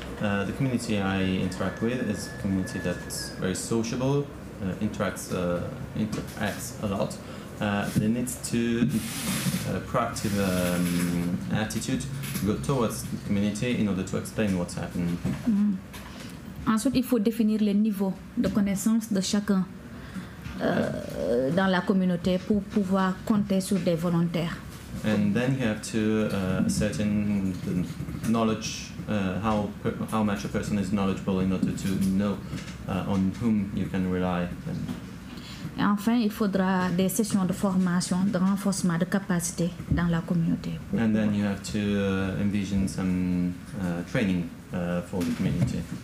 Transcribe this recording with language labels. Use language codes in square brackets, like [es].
[en] The community I interact with is a community that's very sociable, interacts a lot. They need to have a proactive attitude to go towards the community in order to explain what's happening. Mm-hmm. [fr] Ensuite, il faut définir les niveaux de connaissance de chacun dans la communauté pour pouvoir compter sur des volontaires. [en] And then you have to ascertain the knowledge, how much a person is knowledgeable in order to know on whom you can rely. [fr] Et enfin, il faudra des sessions de formation, de renforcement de capacité dans la communauté. [en] And then you have to envision some training for the community.